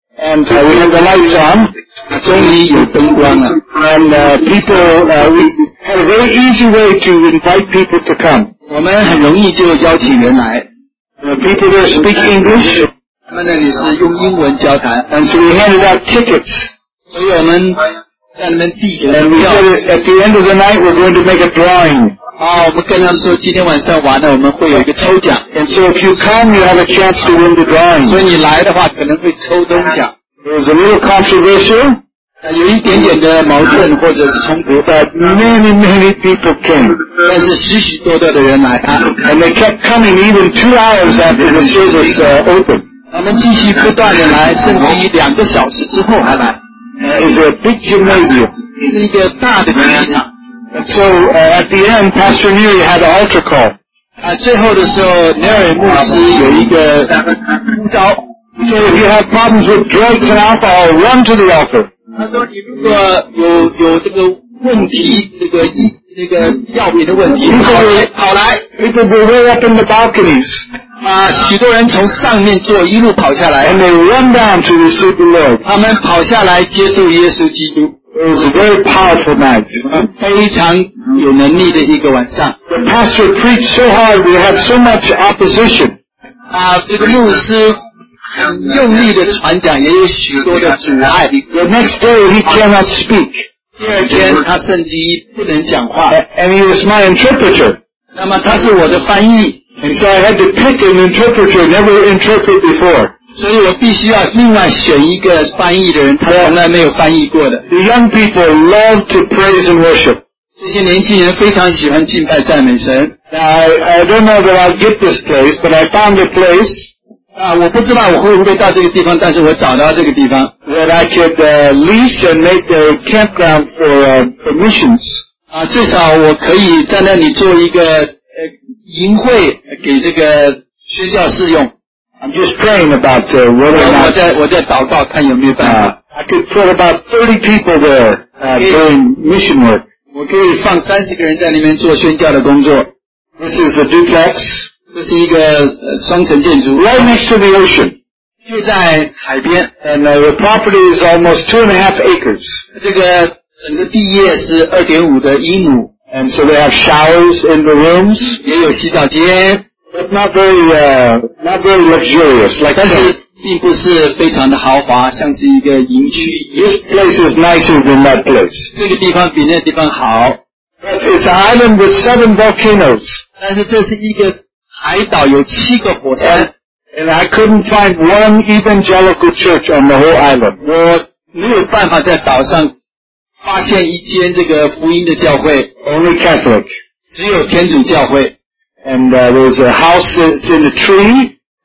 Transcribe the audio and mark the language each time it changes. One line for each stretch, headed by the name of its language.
English: and we have the lights on,
Chinese: 终于有灯光了,
English: and we had a very easy way to invite people to come.
Chinese: 我们很容易就邀请人来,
English: people there speak English,
Chinese: 他们那里是用英文交谈,
English: and so we handed out tickets.
Chinese: 所以我们
English: And we said at the end of the night we're going to make a drawing.
Chinese: 我们跟他们说今天晚上完了我们会有一个抽奖.
English: And so if you come, you have a chance to win the drawing.
Chinese: 所以你来的话可能会抽东奖.
English: There's a little controversial.
Chinese: 有一点点的矛盾或者是冲突.
English: But many, many people came.
Chinese: 但是许许多多的人来.
English: And they kept coming even 2 hours after the service opened.
Chinese: 他们继续不断地来, 甚至于2个小时之后还来.
English: It's a big gymnasium.
Chinese: 是一个大的体育场.
English: So at the end, Pastor Neary had an altar call.
Chinese: 最后的时候, Neary 牧师有一个呼召.
English: So if you have problems with drugs and alcohol, run to the altar.
Chinese: 他说你如果有这个问题，那个医那个药品的问题。跑来
English: ，people will run up in the balconies。
Chinese: 啊，许多人从上面坐一路跑下来。
English: And they run down to receive the Lord。
Chinese: 他们跑下来接受耶稣基督。
English: It was a very powerful night.
Chinese: 非常有能力的一个晚上。
English: The pastor preached so hard, we had so much opposition.
Chinese: 啊，这个牧师用力的传讲，也有许多的阻碍。
English: The next day, he cannot speak.
Chinese: 第二天，他甚至不能讲话。
English: And he was my interpreter.
Chinese: 那么他是我的翻译。
English: And so I had to pick an interpreter never interpreted before.
Chinese: 所以我必须要另外选一个翻译的人，他从来没有翻译过的。
English: The young people love to praise and worship.
Chinese: 这些年轻人非常喜欢敬拜赞美神。
English: I don't know that I'll get this place, but I found a place.
Chinese: 我不知道我会不会到这个地方，但是我找到这个地方。
English: That I could lease and make a campground for missions.
Chinese: 至少我可以在那里做一个营会给这个宣教士用。
English: I'm just praying about whether or not.
Chinese: 我在祷告看有没有办法。
English: I could put about 30 people there doing mission work.
Chinese: 我可以放30个人在里面做宣教的工作。
English: This is a duplex.
Chinese: 这是一个双层建筑。
English: Right next to the ocean.
Chinese: 就在海边。
English: And the property is almost 2.5 acres.
Chinese: 这个整个地业是 2.5 的英亩。
English: And so they have showers in the rooms.
Chinese: 也有洗澡间。
English: But not very luxurious, like that.
Chinese: 但是并不是非常的豪华，像是一个营区。
English: This place is nicer than that place.
Chinese: 这个地方比那地方好。
English: But it's an island with 7 volcanoes.
Chinese: 但是这是一个海岛，有七个火山。
English: And I couldn't find one evangelical church on the whole island.
Chinese: 我没有办法在岛上发现一间这个福音的教会。
English: Only Catholic.
Chinese: 只有天主教会。
English: And there's a house that's in a tree.